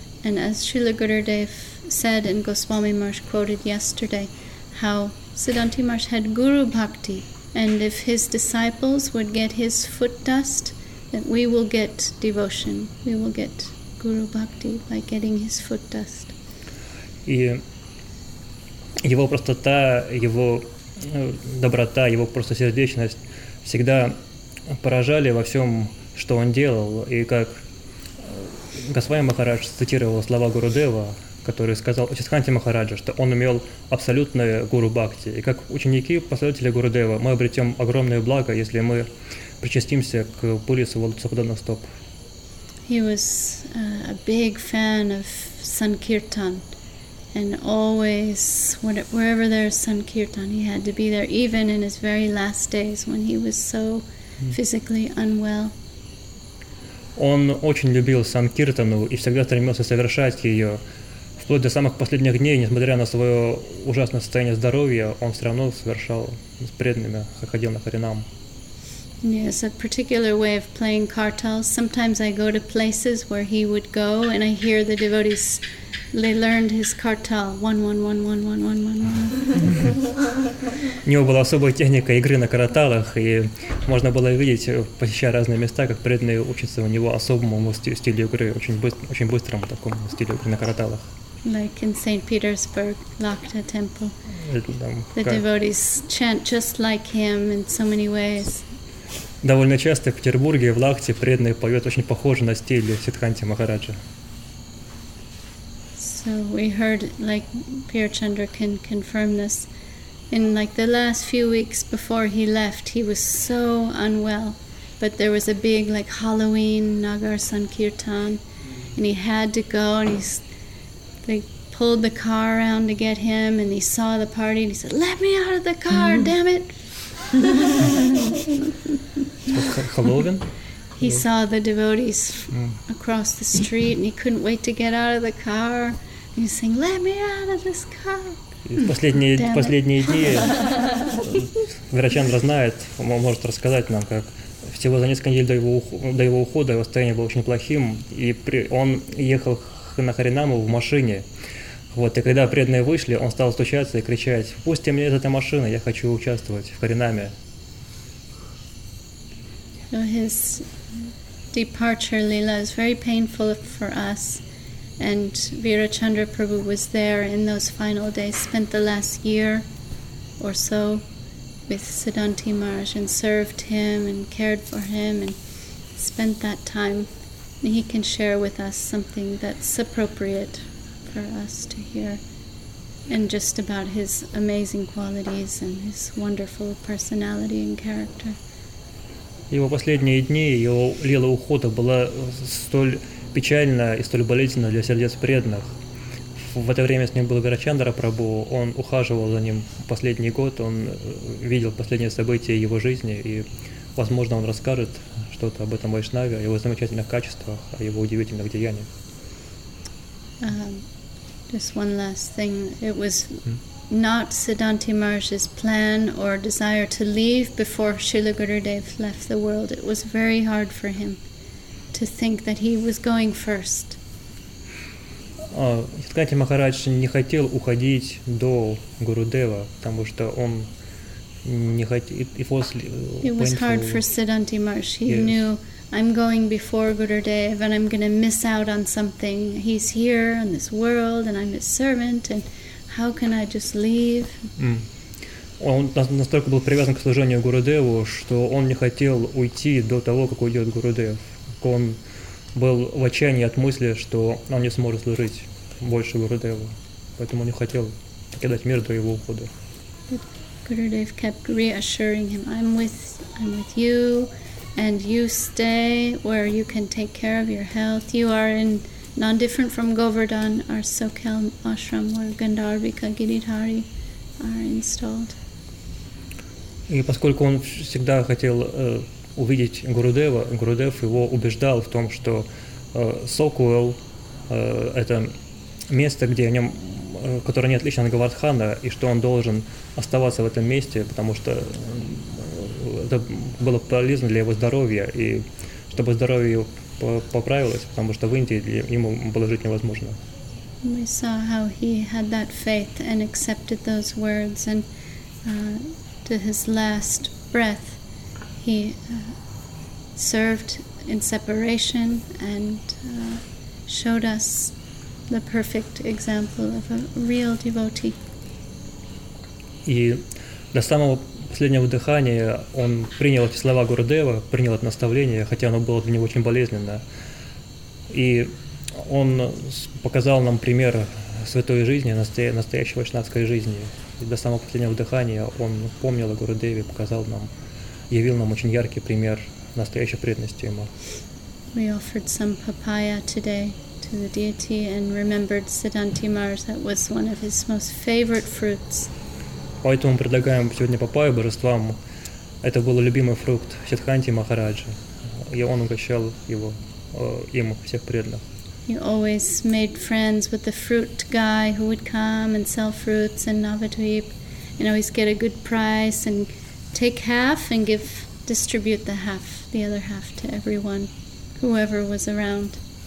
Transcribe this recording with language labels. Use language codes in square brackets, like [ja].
[en] And as Srila Gurudev said and Goswami Marsh quoted yesterday, how Siddhanti Marsh had guru bhakti, and if his disciples would get his foot dust, then we will get devotion, we will get guru bhakti by getting his foot dust. [ru] И его простота, его доброта, его просто сердечность всегда поражали во всем, что он делал. И как Госвами Махарадж цитировал слова Гурудева, который сказал Чистханти Махараджа, что он имел абсолютное гуру бхакти. И как ученики, последователи Гурудева, мы обретем огромное благо, если мы причастимся к пыли с его лотосоподобных стоп. [en] He was a big fan of Sankirtan. And always, wherever there is Sankirtan, he had to be there, even in his very last days, when he was so physically unwell. [ru] Он очень любил Санкиртану и всегда стремился совершать ее. Вплоть до самых последних дней, несмотря на свое ужасное состояние здоровья, он все равно совершал с преданными, ходил на харинам. [en] Yes, a particular way of playing kartals. Sometimes I go to places where he would go, and I hear the devotees, they learned his kartal. 1-1-1-1-1-1-1-1. [ru] У него была особая техника игры на карталах, и можно было видеть, посещая разные места, как преданные учатся у него особому стилю игры, очень быстрому такому стилю игры на карталах. [en] Like in St. Petersburg, Lakta Temple. The devotees chant just like him in so many ways. [ru] Довольно часто в Петербурге, в Лахте, преданные поют очень похоже на стиль Сиддханти Махараджа. [en] So we heard, like, Пирачандра can confirm this. In, like, the last few weeks before he left, he was so unwell. But there was a big, like, Halloween Nagar Sankirtan. And he had to go, and they pulled the car around to get him, and he saw the party, and he said, "Let me out of the car, damn it!" Halloween? He saw the devotees across the street, and he couldn't wait to get out of the car. He was saying, "Let me out of this car." [ru] Последние дни. Вирачандра знает, он может рассказать нам, как всего за несколько недель до его ухода его состояние было очень плохим, и он ехал на харинаму в машине. Вот, и когда преданные вышли, он стал стучаться и кричать: "Пусти меня из этой машины, я хочу участвовать в харинаме." [en] So his departure Lila is very painful for us, and Virachandra Prabhu was there in those final days, spent the last year or so with Siddhanti Maharaj and served him and cared for him and spent that time, and he can share with us something that's appropriate for us to hear, and just about his amazing qualities and his wonderful personality and character. [ru] Его последние дни, его лила ухода была столь печальна и столь болезненна для сердец преданных. В это время с ним был Вирачандра Прабху, он ухаживал за ним последний год, он видел последние события его жизни, и, возможно, он расскажет что-то об этом вайшнаве, о его замечательных качествах, о его удивительных деяниях. [en] Just one last thing. It was not Siddhanti Maharaj's plan or desire to leave before Srila Gurudev left the world. It was very hard for him to think that he was going first. [ru] Siddhanti Maharaj не хотел уходить до Гурудева, потому что он не хотел. [en] It was hard for Siddhanti Maharaj. He knew, "I'm going before Gurudev and I'm going to miss out on something. He's here in this world and I'm his servant, and how can I just leave?" [ru] Он настолько был привязан к служению Гурудеву, что он не хотел уйти до того, как уйдет Гурудев. Он был в отчаянии от мысли, что он не сможет служить больше Гурудеву. Поэтому он не хотел покидать мир до его ухода. [en] Gurudev kept reassuring him, I'm with you. And you stay where you can take care of your health. You are in non-different from Govardhan, our Sokhel ashram, where Gandharvika Giridhari are installed. [ru] И поскольку он всегда хотел увидеть Гурудева, Гурудев его убеждал в том, что Сокуэл, это место, где о нем, которое не отличено от Гавардхана, и что он должен оставаться в этом месте, потому что это было полезно для его здоровья, и чтобы здоровье поправилось, потому что в Индии для ему было жить невозможно. [en] We saw how he had that faith and accepted those words, and to his last breath he served in separation and showed us the perfect example of a real devotee. [ru] И до самого последнего дыхания он принял эти слова Гурудева, принял это наставление, хотя оно было для него очень болезненно. И он показал нам пример святой жизни, настоящей вайшнавской жизни. И до самого последнего дыхания он помнил о Гурудеве, показал нам, явил нам очень яркий пример настоящей преданности ему. [en] We offered some papaya today to the deity and remembered Siddhanti Maharaj. That was one of his most favorite fruits. [ru] Поэтому предлагаем сегодня папайю божествам. Это был любимый фрукт Сиддханти Махараджи. И он угощал его, им всех преданных. [en] He always made friends with the fruit guy who would come and sell fruits in Navadvip and always get a good price and take half and give, distribute the half, the other half to everyone, whoever was around.